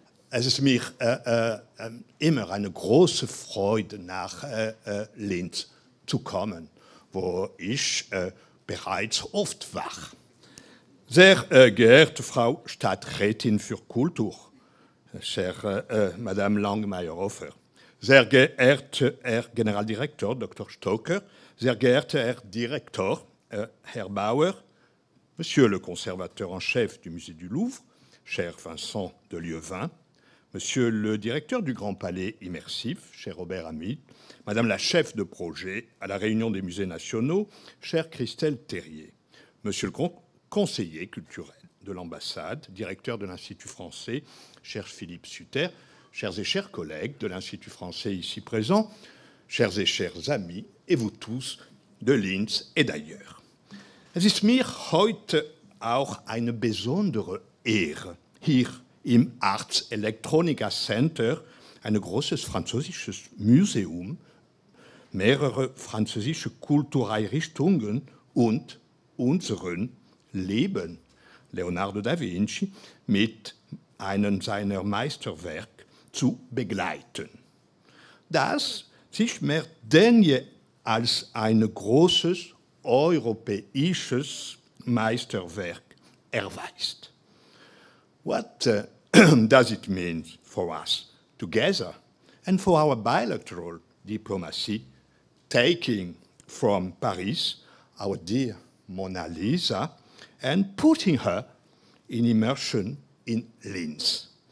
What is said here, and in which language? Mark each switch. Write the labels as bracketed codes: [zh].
[de] Es ist mir immer eine große Freude, nach Linz zu kommen, wo ich bereits oft war. Sehr geehrte Frau Stadträtin für Kultur, [fr] chère Madame [de] Lang-Meyerhofer, sehr geehrter Herr Generaldirektor Dr. [fr] Stocker, [de] sehr geehrter Herr Direktor Herr Bauer, [fr] Monsieur le conservateur en chef du Musée du Louvre, cher Vincent de Lieuvin, Monsieur le directeur du Grand Palais Immersif, cher Robert Amy, Madame la chef de projet à la Réunion des musées nationaux, chère Christelle Terrier, Monsieur le conseiller culturel de l'ambassade, directeur de l'Institut français, cher Philippe Sutter, chers et chers collègues de l'Institut français ici présent, chers et chers amis, et vous tous de Linz et d'ailleurs. [de] Es ist mir heute auch eine besondere Ehre, hier im Arts Electronica Center, ein großes französisches Museum, mehrere französische Kultureinrichtungen und unseren Leben. Leonardo da Vinci mit einem seiner Meisterwerke zu begleiten. Das sich mehr denn je als ein großes europäisches Meisterwerk erweist. [en] What does it mean for us together and for our bilateral diplomacy taking from Paris our dear Mona Lisa and putting her in immersion in Linz?